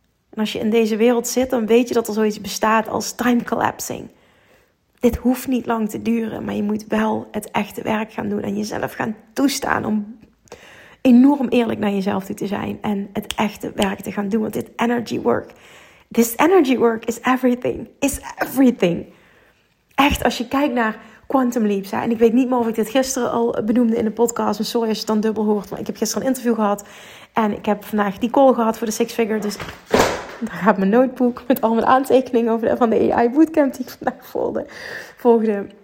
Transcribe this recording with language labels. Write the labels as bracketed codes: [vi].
[nl] En als je in deze wereld zit, dan weet je dat er zoiets bestaat als time collapsing. Dit hoeft niet lang te duren, maar je moet wel het echte werk gaan doen. En jezelf gaan toestaan om enorm eerlijk naar jezelf toe te zijn. En het echte werk te gaan doen. Want dit [en] energy work, this energy work is everything. Is everything. [nl] Echt, als je kijkt naar Quantum Leaps. Hè? En ik weet niet meer of ik dit gisteren al benoemde in de podcast. Maar sorry als je het dan dubbel hoort. Maar ik heb gisteren een interview gehad. En ik heb vandaag die call gehad voor de Six Figure. Dus daar gaat mijn notebook met al mijn aantekeningen over van de AI bootcamp die ik vandaag volgde.